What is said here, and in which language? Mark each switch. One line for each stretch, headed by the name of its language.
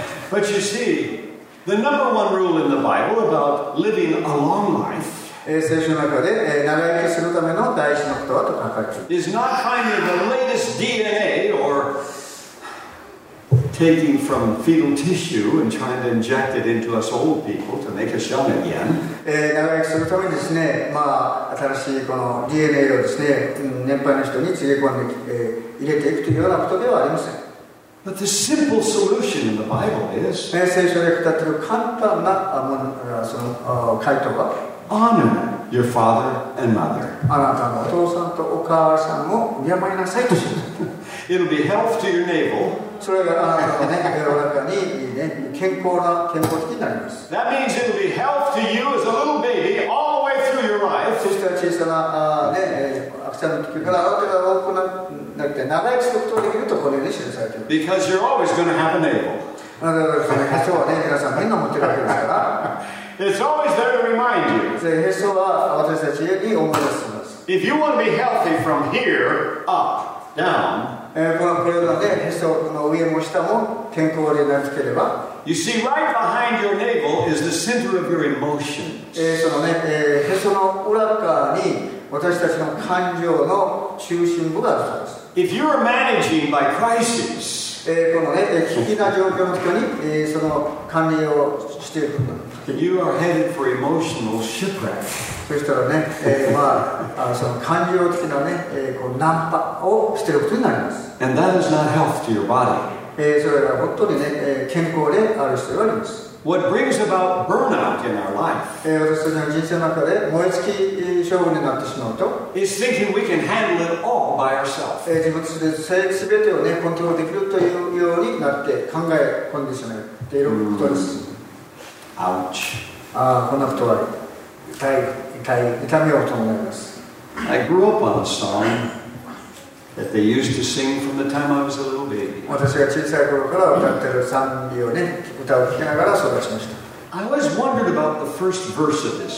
English: But you see, the number one rule in the Bible about living a long life is not finding the latest DNA or taking from fetal tissue and trying to inject it into us old people to make us young again.
Japanese: 長生きするためにですね、まあ、新しいこの DNA をですね、年配の人につげ込んで、入れていくというようなことではありません。
English: But the simple solution in the Bible is,
Japanese: 聖書で語っている簡単なその回答は、
English: Honor your father and mother.
Japanese: あなたのお父さんとお母さんを敬いなさいとします。
English: It'll be health to your navel.
Japanese: それがあなたの、ね、お腹に、ね、健康的になります。
English: That means it'll be health to you as a little baby all the way through your life.
Japanese: そして小さな、ね、赤ちゃんの時からあなたが多くなって長生きすることができるとこのように示されています。
English: Because you're always going to have a navel.
Japanese: あなたがそのへそはね、皆さんみんな持ってるわけですから。
English: It's always there to remind you.
Japanese: で、へそは私たちに思い出します。
English: If you want to be healthy from here up, down,
Japanese: これらで、へその上も下も健康でなりつければ。
English: You see, right behind your navel is the center of your emotions.
Japanese: そのね、へその裏側に私たちの感情の中心部があります。
English: If you are managing by crisis,
Japanese: このね、危機な状況の時に、その管理をしていく。
English: You are headed for emotional shipwreck.
Japanese: そしたらね、まあ、その感情的なね、こうナンパをしていることになります。
English: And that is not health to your body.
Japanese: それは本当にね、健康である必要があります。
English: What brings about burnout in our life?
Japanese: 私たちの人生の中で燃え尽き症候になってしまうと、
English: is thinking we can handle it all by ourselves.
Japanese: 自分たちで全てをね、コントロールできるというようになって考え込んでしまっていることです。
English: Ouch.
Japanese: ああ、こんなことは痛みを伴います。
English: I grew up on a song. That they used to sing from the time I was a little baby.
Japanese: 私が小さい頃から歌ってる賛美をね、歌を聴きながら育ちました。
English: I always wondered about the first verse of this